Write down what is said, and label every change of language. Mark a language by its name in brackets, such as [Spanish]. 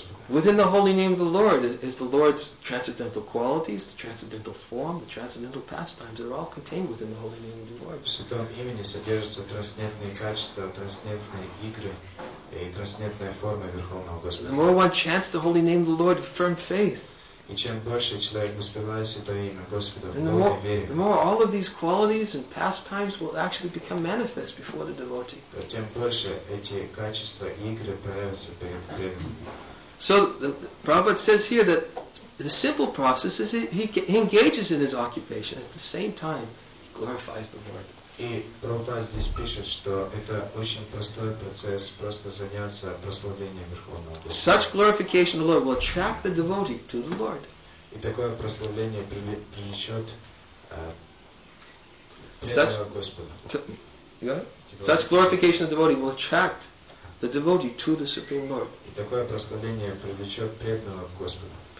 [English] Within the holy name of the Lord is the Lord's transcendental qualities, the transcendental form, the transcendental pastimes that are all contained within the holy name of the Lord. [Russian] В святом имени содержатся трансцендентные качества, трансцендентные игры и трансцендентная форма Верховного Господа. [English] The more one chants the holy name of the Lord with firm faith, [Russian] и чем больше человек воспевает святое имя Господа, [English] and [Russian] в новой вере, [English] the more all of these qualities and pastimes will actually become manifest before the devotee. [Russian] То тем больше эти качества и игры проявятся перед преданным. [English] So, Prabhupada says here that the simple process is he engages in his occupation at the same time he glorifies the Lord. [Russian] И Прабхупада здесь пишет, что это очень простой процесс, просто заняться прославлением Верховного Господа. [English] Such glorification of the Lord will attract the devotee to the Lord. [Russian] И такое прославление привлечет преданного Господа. [English] Such glorification of the devotee will attract the devotee to the Supreme Lord. [Russian] И такое прославление привлечет преданного Господа.